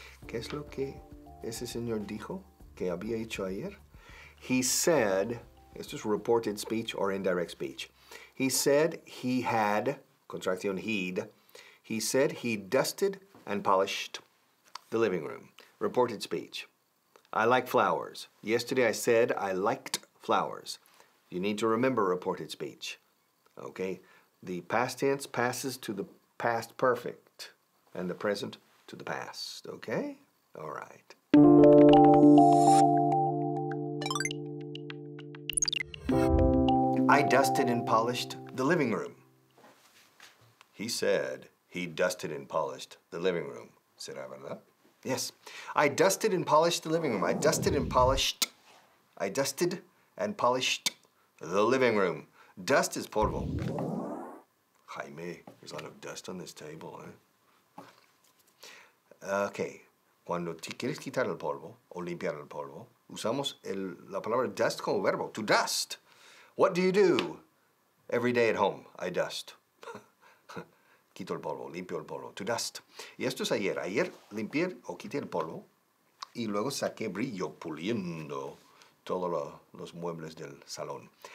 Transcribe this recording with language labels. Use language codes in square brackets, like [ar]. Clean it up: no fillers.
[es] ¿Qué es lo que ese señor dijo que había hecho ayer? [en] He said, [es] esto es [en] reported speech or indirect speech. He said he had, contracción he'd, he said he dusted and polished the living room. Reported speech. I like flowers. Yesterday I said I liked flowers. You need to remember reported speech. Okay, the past tense passes to the past perfect and the present to the past, okay? All right. I dusted and polished the living room. He said he dusted and polished the living room. [es] ¿Será verdad? [en] Yes. I dusted and polished the living room. I dusted and polished. I dusted and polished the living room. Dust is polvo. Jaime, there's a lot of dust on this table, eh? Okay. [es] Cuando quieres quitar el polvo o limpiar el polvo, usamos la palabra dust como verbo. [en] To dust. What do you do every day at home? I dust. [es] Quito el polvo, limpio el polvo. [en] To dust. [es] Y esto es ayer. Ayer limpié o quité el polvo y luego saqué brillo puliendo todos los muebles del salón.